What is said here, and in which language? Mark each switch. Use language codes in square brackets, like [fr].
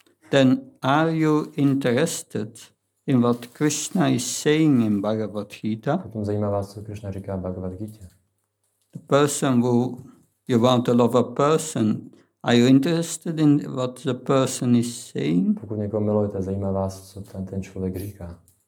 [en] then are you interested in what Krishna is saying in Bhagavad Gita? [cs] Potom zajímá vás, co Krishna říká v Bhagavad Gita. [en] The person who you want to love a person, are you interested in what the person is saying? [cs] Pokud někoho milujete, zajímá vás, co ten člověk říká.